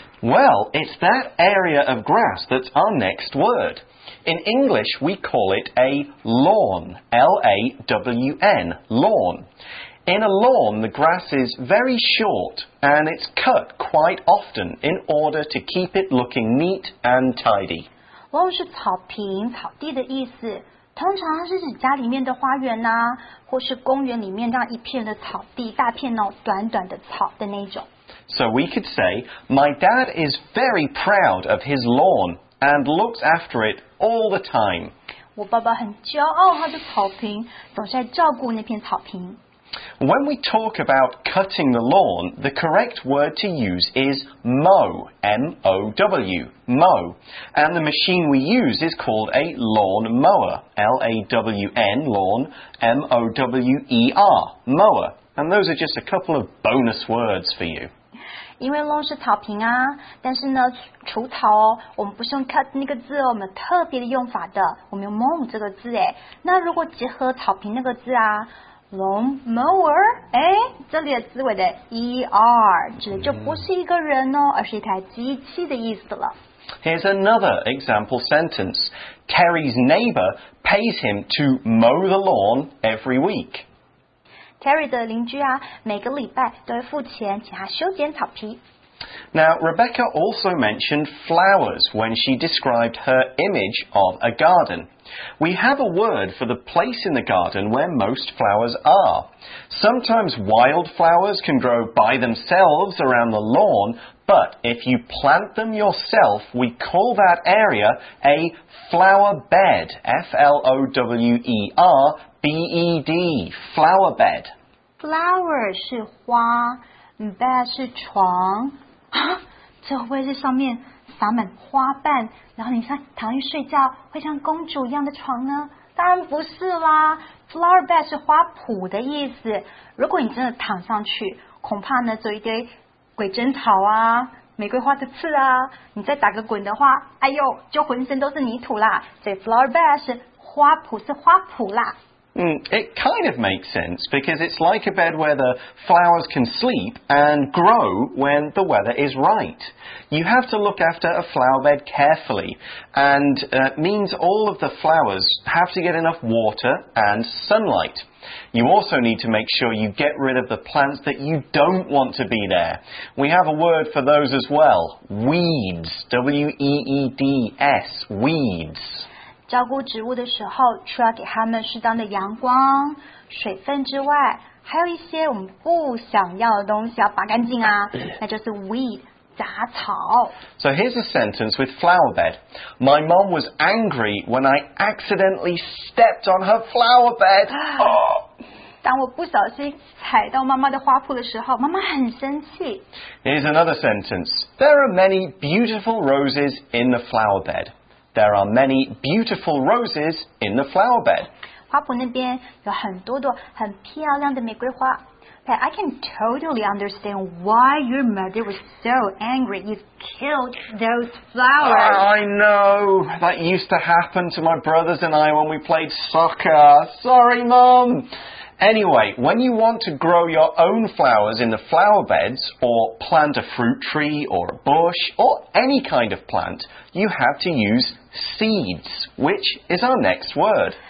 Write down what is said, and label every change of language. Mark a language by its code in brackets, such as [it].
[en] Well, it's that area of grass that's our next word. In English, we call it a lawn. L-A-W-N, lawn. In a lawn, the grass is very short and it's cut quite often in order to keep it looking neat and tidy. [zh] Lawn 是草坪、草地的意思。通常是指家里面的花园啊，或是公园里面这样一片的草地，大片哦，短短的草的那种。 [en] So we could say, my dad is very proud of his lawn and looks after it all the time. [zh] 我爸爸很骄傲他的草坪，总是在照顾那片草坪。 [en] When we talk about cutting the lawn, the correct word to use is mow, M-O-W, mow. And the machine we use is called a lawn mower, L-A-W-N, lawn, M-O-W-E-R, mower. And those are just a couple of bonus words for you. [zh] 因为 lawn 是草坪啊，但是呢，除草哦，我们不是用 cut 那个字哦，我们特别的用法的，我们用 mow 这个字哎。那如果结合草坪那个字啊，Lawn mower, 哎，这里的字尾的 er 指的就不是一个人哦，而是一台机器的意思了。 [en] Here's another example sentence. Terry's neighbor pays him to mow the lawn every week. [zh] Terry 的邻居啊，每个礼拜都会付钱请他修剪草皮。 [en] Now, Rebecca also mentioned flowers when she described her image of a garden. We have a word for the place in the garden where most flowers are. Sometimes wild flowers can grow by themselves around the lawn, but if you plant them yourself, we call that area a flower bed. F-L-O-W-E-R, B-E-D, flower bed. [zh] Flower 是花 ,bed 是床。啊，这会是上面撒满花瓣，然后你像躺一睡觉，会像公主一样的床呢？当然不是啦 ，flower bed 是花圃的意思。如果你真的躺上去，恐怕呢就一堆鬼针草啊、玫瑰花的刺啊，你再打个滚的话，哎呦，就浑身都是泥土啦。所以 flower bed 是花圃，是花圃啦。 [en] It kind of makes sense because it's like a bed where the flowers can sleep and grow when the weather is right. You have to look after a flower bed carefully and means all of the flowers have to get enough water and sunlight. You also need to make sure you get rid of the plants that you don't want to be there. We have a word for those as well. Weeds, W-E-E-D-S, weeds. [zh] 照顾植物的时候，除了给它们适当的阳光、水分之外，还有一些我们不想要的东西要拔干净啊，那就是 weed 杂草。 [en] So here's a sentence with flower bed. My mom was angry when I accidentally stepped on her flower bed. [zh] 当我不小心踩到妈妈的花圃的时候，妈妈很生气。 [en] Here's another sentence. There are many beautiful roses in the flower bed. There are many beautiful roses in the flower bed. [zh] 花圃那边有很多朵很漂亮的玫瑰花。 [en] But I can totally understand why your mother was so angry. You killed those flowers. I know. That used to happen to my brothers and I when we played soccer. Sorry, Mom. Anyway, when you want to grow your own flowers in the flower beds, or plant a fruit tree, or a bush, or any kind of plant, you have to use seeds, which is our next word.